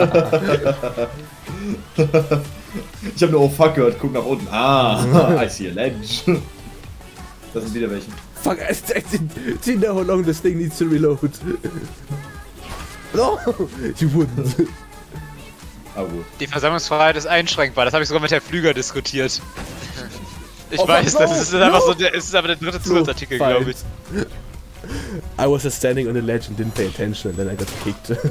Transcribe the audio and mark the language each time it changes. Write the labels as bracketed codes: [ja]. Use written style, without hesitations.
[en] Nice! [de] Ich hab nur oh fuck gehört, guck nach unten. [en] Ah, I see a ledge. Das sind wieder welche. Fuck, see now how long this thing needs to reload. No! You wouldn't. I would. [de] Die Versammlungsfreiheit ist einschränkbar, das habe ich sogar mit Herr Flüger diskutiert. Ich oh, weiß, das ist einfach so, es ist aber der dritte Zusatzartikel, glaube ich. [en] I was just standing on a ledge and didn't pay attention and then I got kicked.